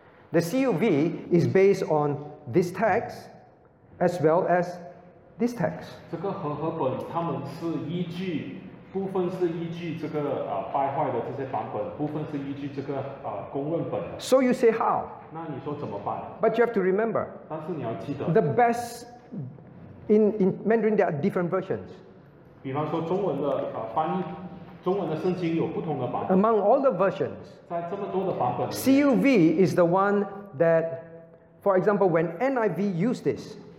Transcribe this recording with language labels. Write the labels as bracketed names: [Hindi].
[English] The CUV is based on this text, as well as this text. [Chinese] 这个和合本，他们是依据，部分是依据这个坏坏的这些版本，部分是依据这个公论本。 [English] So you say how? [Chinese] 那你说怎么办？ [English] But you have to remember. [Chinese] 但是你要记得。 [English] The best in Mandarin, there are different versions. [Chinese] 比方说中文的翻译。 [English] Among all the versions, [Chinese] 在这么多的版本里面, [English] CUV is the one that, for example, when NIV used this,